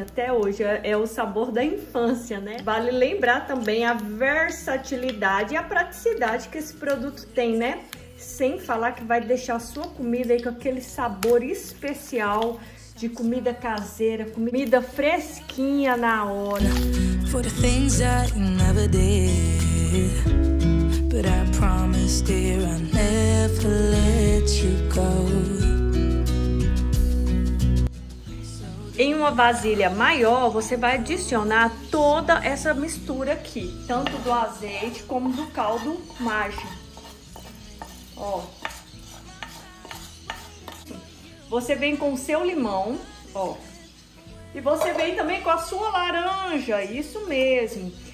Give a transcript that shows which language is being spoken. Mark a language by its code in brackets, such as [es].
[pt] Até hoje é o sabor da infância, né? Vale lembrar também a versatilidade e a praticidade que esse produto tem, né? Sem falar que vai deixar a sua comida aí com aquele sabor especial de comida caseira, comida fresquinha na hora. [en] For the things that you never did. But I promised, dear, I'll never let you go. [pt] Em uma vasilha maior, você vai adicionar toda essa mistura aqui, tanto do azeite como do caldo Maggi. Ó. Você vem com o seu limão, ó. E você vem também com a sua laranja, isso mesmo.